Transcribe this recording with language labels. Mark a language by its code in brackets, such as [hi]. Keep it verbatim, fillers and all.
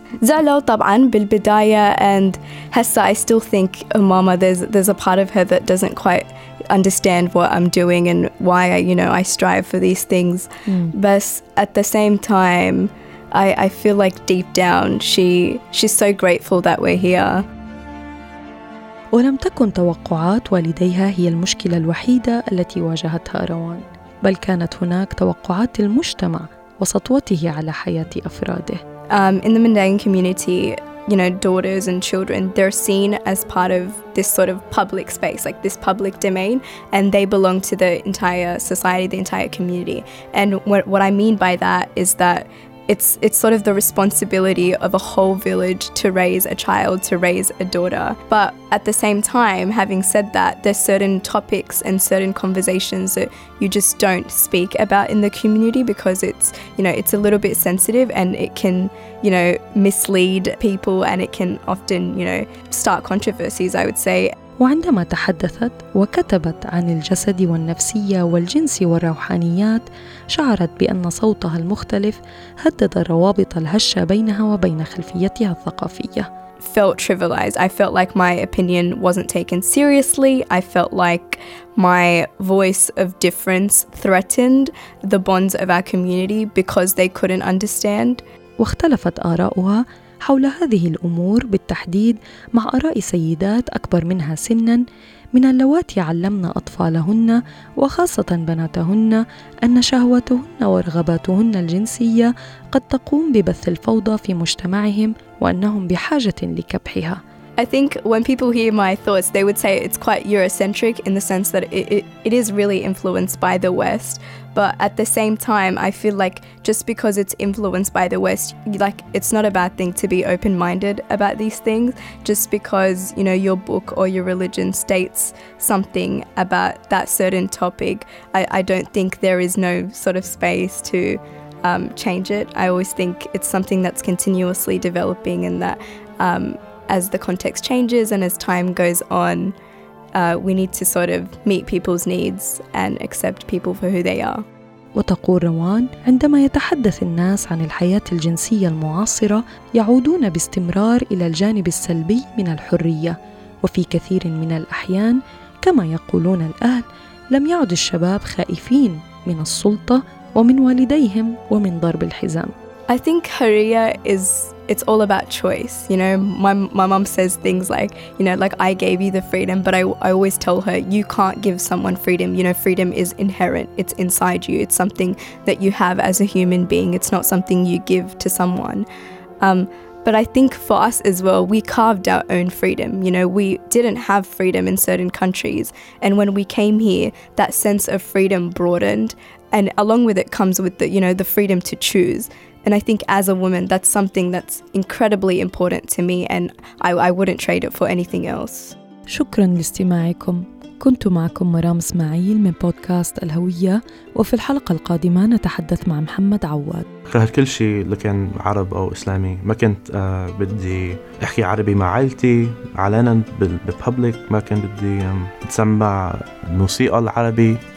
[ar] زعلوا طبعاً بالبداية, [en] and هسا I still think, oh, Mama, there's there's a part of her that doesn't quite understand what I'm doing and why I, you know, I strive for these things. Mm. But at the same time, I I feel like deep down she she's so grateful that we're here. [ar] ولم تكن توقعات والديها هي المشكلة الوحيدة التي واجهتها روان, بل كانت هناك توقعات المجتمع وسطوته على حياة أفراده. [en] Um, in the Mandayan community, you know, daughters and children, they're seen as part of this sort of public space, like this public domain, and they belong to the entire society, the entire community. And what, what I mean by that is that it's it's sort of the responsibility of a whole village to raise a child, to raise a daughter. But at the same time, having said that, there's certain topics and certain conversations that you just don't speak about in the community because it's, you know, it's a little bit sensitive and it can, you know, mislead people and it can often, you know, start controversies, I would say. [ar] وعندما تحدثت وكتبت عن الجسد والنفسية والجنس والروحانيات, شعرت بأن صوتها المختلف هدد الروابط الهشة بينها وبين خلفيتها الثقافية. [en] Felt trivialized. I felt like my opinion wasn't taken seriously. I felt like my voice of difference threatened the bonds of our community because they couldn't understand. [ar] واختلفت آراؤها حول هذه الأمور بالتحديد مع آراء سيدات أكبر منها سناً من اللواتي علمن أطفالهن وخاصة بناتهن أن شهوتهن ورغباتهن الجنسية قد تقوم ببث الفوضى في مجتمعهم وأنهم بحاجة لكبحها. [en] I think when people hear my thoughts, they would say it's quite Eurocentric in the sense that it, it, it is really influenced by the West. But at the same time, I feel like just because it's influenced by the West, like it's not a bad thing to be open-minded about these things. Just because, you know, your book or your religion states something about that certain topic, I, I don't think there is no sort of space to um, change it. I always think it's something that's continuously developing and that um, as the context changes and as time goes on, Uh, we need to sort of meet people's needs and accept people for who they are. [ar] وتقول روان عندما يتحدث الناس عن الحياة الجنسية المعاصرة يعودون باستمرار إلى الجانب السلبي من الحرية, وفي كثير من الأحيان كما يقولون الأهل لم يعد الشباب خائفين من السلطة ومن والديهم ومن ضرب الحزام. [en] I think Hurriya is, it's all about choice, you know. My my mom says things like, you know, like I gave you the freedom, but I, I always tell her, you can't give someone freedom. You know, freedom is inherent. It's inside you. It's something that you have as a human being. It's not something you give to someone. Um, but I think for us as well, we carved our own freedom. You know, we didn't have freedom in certain countries. And when we came here, that sense of freedom broadened. And along with it comes with the, you know, the freedom to choose. And I think as a woman, that's something that's incredibly important to me, and I, I wouldn't trade it for anything else. [ar] شكراً لاستماعكم. كنت معكم مرام اسماعيل من بودكاست الهوية, وفي الحلقة القادمة نتحدث مع محمد عواد. كره كل شيء اللي كان عرب أو إسلامي, ما كنت آه بدي أحكي عربي مع عائلتي علناً بالببليك, ما كان بدي أسمع الموسيقى العربي